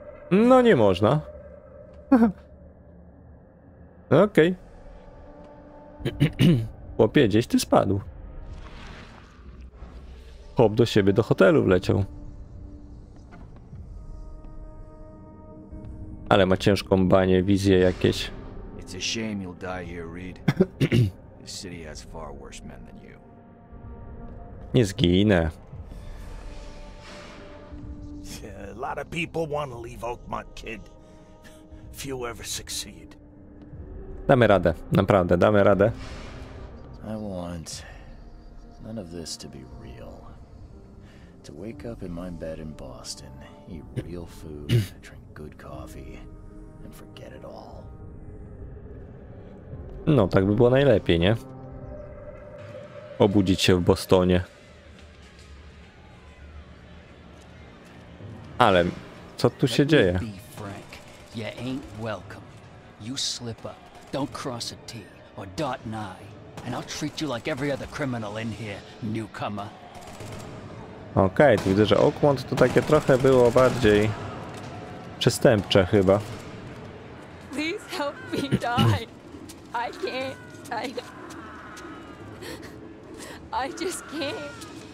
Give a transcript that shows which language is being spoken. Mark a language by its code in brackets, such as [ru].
[pl] No nie można. Okej. Chłopie, gdzieś ty spadł. Chłop do siebie do hotelu wleciał. Ale ma ciężką banię, wizję jakieś. [en] It's a shame you'll die here, Reed. This city has far worse men than you. [pl] Nie zginę. [en] A lot of people want to leave Oakmont, kid. Few ever succeed. [pl] Damy radę, naprawdę, damy radę. [en] I want none of this to be real. To wake up in my bed in Boston, eat real food, drink good coffee, and forget it all. [pl] No, tak by było najlepiej, nie? Obudzić się w Bostonie. Ale co tu się dzieje? [en] Frank, you ain't welcome. You slip up. Don't cross a T or dot an I. And I'll treat you like every other criminal in here, newcomer. [pl] Okej, tu widzę, że Oakmont to takie trochę było bardziej przestępcze chyba. [en] Please help me die. I can't. I just can't.